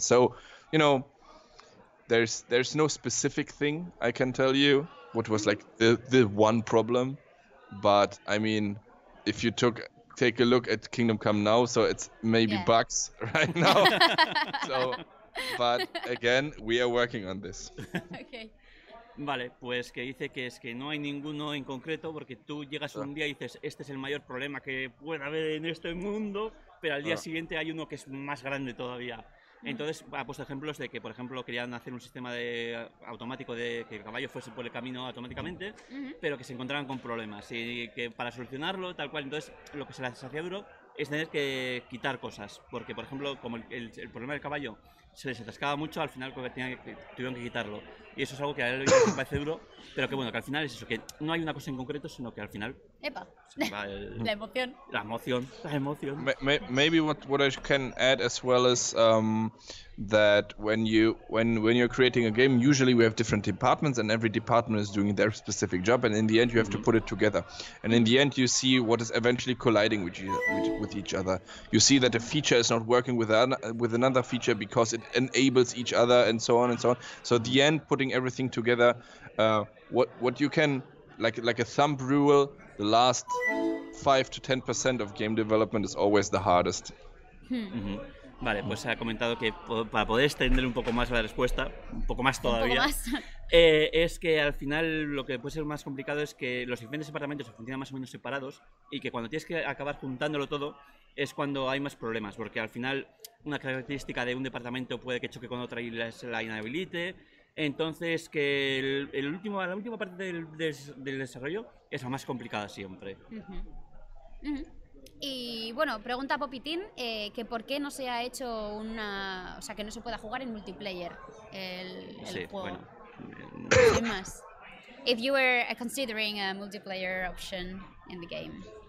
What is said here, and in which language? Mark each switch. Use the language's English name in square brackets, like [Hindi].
[English] So, you know, there's no specific thing I can tell you what was like the one problem, but I mean, if you take a look at Kingdom Come now, so it's maybe bugs right now. So, but again, we are working on this. Okay. [Spanish] Vale, pues que dice que es que no hay ninguno en concreto, porque tú llegas un día y dices, este es el mayor problema que pueda haber en este mundo, pero al día siguiente hay uno que es más grande todavía. Entonces ha puesto ejemplos de que, por ejemplo, querían hacer un sistema de automático de que el caballo fuese por el camino automáticamente, pero que se encontraban con problemas y que para solucionarlo, tal cual. Entonces lo que se les hacía duro es tener que quitar cosas, porque por ejemplo, como el problema del caballo se les atascaba mucho, al final tuvieron que quitarlo, y eso es algo que a él le parece duro, pero que bueno, que al final es eso, que no hay una cosa en concreto, sino que al final ¡epa! La emoción. [English] Maybe what I can add as well is that when you're creating a game, usually we have different departments and every department is doing their specific job, and in the end you have to put it together, and in the end you see what is eventually colliding with each other. You see that a feature is not working with another feature because it enables each other, and so on and so on. So at the end, putting everything together, what you can like a thumb rule, the last 5 to 10% of game development is always the hardest. [Spanish] Vale, pues ha comentado que para poder extender un poco más la respuesta, un poco más todavía, es que al final lo que puede ser más complicado es que los diferentes departamentos funcionan más o menos separados, y que cuando tienes que acabar juntándolo todo es cuando hay más problemas, porque al final una característica de un departamento puede que choque con otra y la inhabilite. Entonces, que la última parte del desarrollo es la más complicada siempre. Y bueno, pregunta Popitín, que por qué no se ha hecho una, o sea, que no se pueda jugar en multiplayer el juego. Bueno, [English] if you were considering a multiplayer option in the game.